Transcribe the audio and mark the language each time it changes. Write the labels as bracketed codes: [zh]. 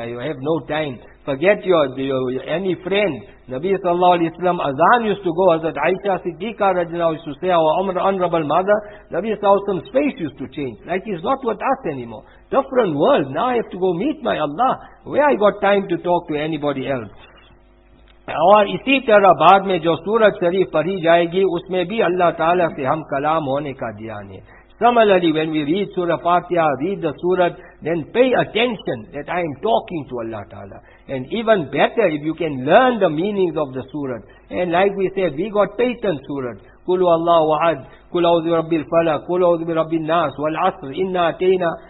[en] I have no time. Forget your any friend. Nabi sallallahu alayhi wa sallam, azan used to go. Hazrat Aisha Siddiqa radhiyallahu used to say, our honorable mother, Nabi sallallahu alayhi wa sallam, space used to change. Like he's not with us anymore. Different world. Now I have to go meet my Allah. Where I got time to talk to anybody else? [ur] اور اسی طرح بعد میں جو سورت شریف پڑھی جائے گی اس میں بھی اللہ تعالیٰ سے ہم کلام ہونے کا دھیان ہے. [en] Similarly, when we read Surah Fatiha, read the Surah, then pay attention that I am talking to Allah Ta'ala. And even better, if you can learn the meanings of the Surah. And like we said, we got patent Surah. Kulu Allah wa'ad, kulu a'udhu rabbi al-falaq, kulu a'udhu rabbi al-nas, wal-asr, inna atayna.